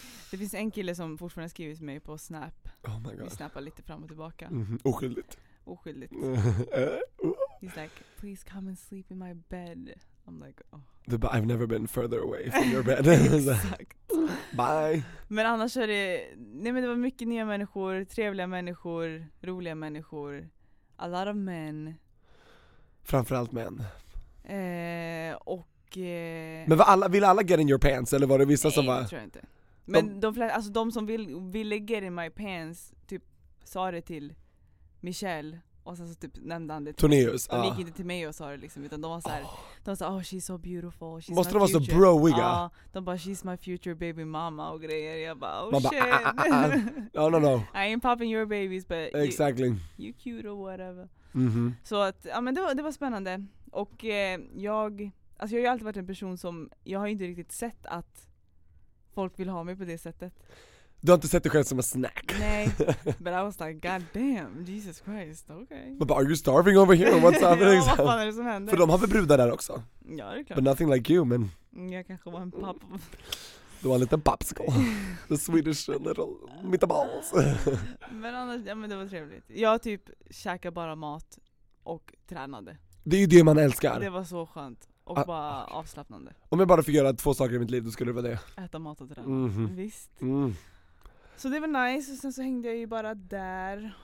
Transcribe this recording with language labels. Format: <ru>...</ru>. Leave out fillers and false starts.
<sv>Det finns en kille som fortfarande skriver till mig på Snap.</sv> <en>Oh my God.</en> <sv>Vi snappar lite fram och tillbaka. Mm-hmm. Oskyldigt. Oskyldigt.</sv> <en>He's like, please come and sleep in my bed. I'm like, oh. I've never been further away from your bed.</en> <sv>Exakt.</sv> <en>Bye.</en> <sv>Men annars är det, nej men det var mycket nya människor, trevliga människor, roliga människor.</sv> <en>A lot of men.</en> <sv>Framförallt män. Och... Men ville alla</sv> <en>get in your pants?</en> <sv>Eller var det vissa nej, som var... Nej, tror jag inte. Men de flesta, alltså de som ville</sv> <en>get in my pants,</en> <sv>typ sa det till... Michelle, och sen så typ nämnde han det till Tornius, mig. De gick inte till mig och sa det liksom, utan de var så här, de sa,</sv> <en>oh she's so beautiful, she's</en> <sv>måste de vara så bro-wiga? De bara,</sv> <en>she's my future baby mama</en> <sv>och grejer. Jag bara,</sv> <en>oh mama, shit. No. I ain't popping your babies, but exactly. You cute or whatever. Mm-hmm.</en> <sv>Så att, ja men det var spännande. Och jag, Alltså jag har ju alltid varit en person som, jag har inte riktigt sett att folk vill ha mig på det sättet. Du har inte sett dig själv som en snack.</sv> <en>Nej, but I was like, god damn, Jesus Christ, okay. But are you starving over here? What's happening?</en> <sv>Ja, vad fan är det som händer? För de har väl brudar där också. Ja, det är klart.</sv> <en>But nothing like you,</en> <sv>men... Jag kanske var en papp. Du var en liten popsicle.</sv> <en>The Swedish little meatballs.</en> <sv>Men annars, ja men det var trevligt. Jag typ käkade bara mat och tränade. Det är ju det man älskar. Det var så skönt. Och bara avslappnande. Om jag bara fick göra två saker i mitt liv, då skulle det vara det. Äta mat och träna. Mm-hmm. Visst. Mm. Så det var nice. Och sen så hängde jag ju bara där.</sv>